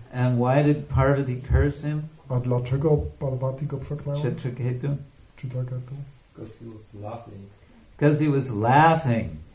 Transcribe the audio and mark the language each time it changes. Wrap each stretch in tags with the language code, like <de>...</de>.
<en>And why did Parvati curse him?</en> <pl>A dlaczego Parvati go przeklęła?</pl> <en>Chitraketu?</en> <pl>Chitraketu?</pl> <en>Because he was laughing.</en>